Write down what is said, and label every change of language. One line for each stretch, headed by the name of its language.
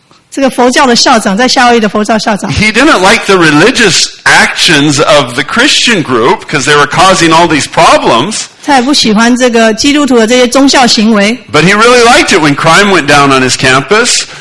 Chinese: 这个佛教的校长，在夏威夷的佛教校长。
English: He didn't like the religious actions of the Christian group because they were causing all these problems.
Chinese: 他也不喜欢这个基督徒的这些宗教行为。
English: But he really liked it when crime went down on his campus.